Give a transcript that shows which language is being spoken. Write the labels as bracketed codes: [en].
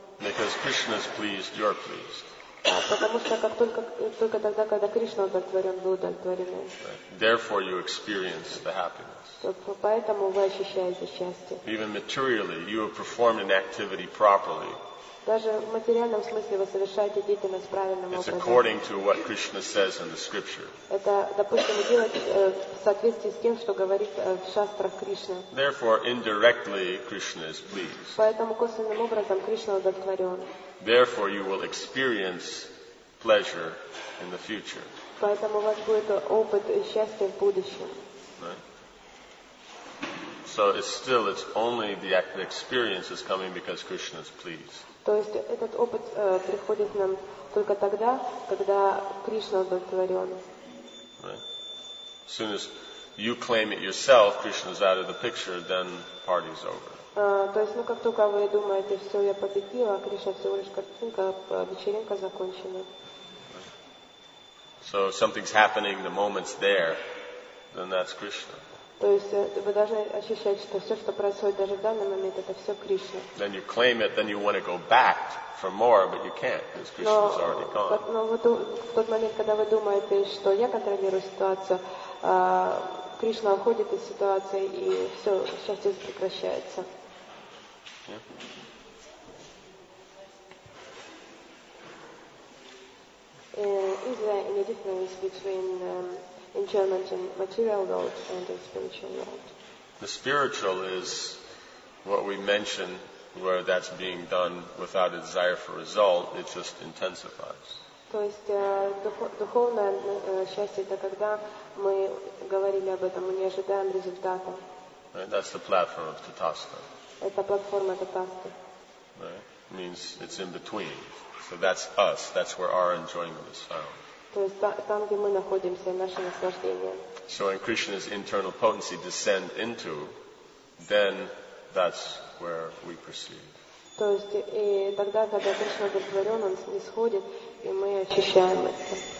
[en] Because Krishna is pleased, you're pleased. [ru] Потому что как только тогда, когда Кришна удовлетворен, вы удовлетворены. [en] Therefore you experience the happiness. [ru] Поэтому вы ощущаете счастье. [en] Even materially, you have performed an activity properly. [ru] Даже в материальном смысле вы совершаете деятельность правильным [en] It's [ru] образом. [en] It's according to what Krishna says in the scripture. [ru] Это, допустим, делать в соответствии с тем, что говорит в шастрах Кришна. [en] Therefore, indirectly, Krishna is pleased. [ru] Поэтому косвенным образом Кришна удовлетворен. [en] Therefore, you will experience pleasure in the future. [ru] Поэтому у вас будет опыт счастья в будущем. [en] So it's still, it's only the experience is coming because Krishna is pleased. [ru] То есть этот опыт приходит нам только тогда, когда Кришна удовлетворен. [en] As soon as you claim it yourself, Krishna is out of the picture, then party's over. [ru] То есть, ну как только вы думаете, все, я победила, а Кришна всего лишь картинка, вечеринка закончена. [en] So something's happening, the moment's there, then that's Krishna. [ru] То есть вы должны ощущать, что все, что происходит даже в данный момент, это все Кришна. [en] Then you claim it, then you want to go back for more, but you can't, because Krishna's already gone. [ru] Но вот в тот момент, когда вы думаете, что я контролирую ситуацию, Кришна уходит из ситуации, и все, счастье прекращается. [en] Is there any difference between enjoyment in material world and in spiritual world? The spiritual is what we mention where that's being done without a desire for result, it just intensifies. [ru] То есть духовное счастье это когда мы говорили об этом, мы не ожидаем результата. [en] Right, that's the platform of Tathasta. [ru] Это платформа Tathasta. [en] Right, means it's in between. So that's us, that's where our enjoyment is found. [ru] То есть там, где мы находимся, наше наслаждение. [en] So when Krishna's internal potency descend into, then that's where we perceive. [ru] То есть и тогда, когда Кришна удовлетворен, он исходит, и мы ощущаем это.